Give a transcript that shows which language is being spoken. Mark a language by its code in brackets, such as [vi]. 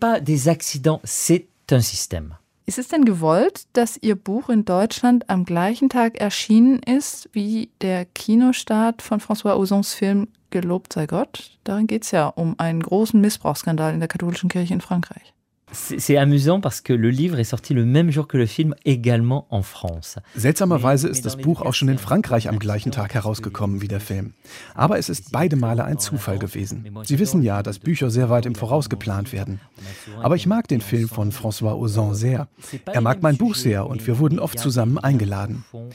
[de] Ist es denn gewollt, dass Ihr Buch in Deutschland am gleichen Tag erschienen ist wie der Kinostart von François Ozons Film Gelobt sei Gott? Darin geht es ja um einen großen Missbrauchsskandal in der katholischen Kirche in Frankreich. [fr] C'est amusant parce que le livre est sorti le même jour que le film également en France. [de] Seltsamerweise ist das Buch auch schon in Frankreich am gleichen Tag herausgekommen wie der Film. Aber es ist beide Male ein Zufall gewesen. Sie wissen ja, dass Bücher sehr weit im Voraus geplant werden. Aber ich mag den Film von François Ozon sehr. Er mag mein Buch sehr und wir wurden oft zusammen eingeladen.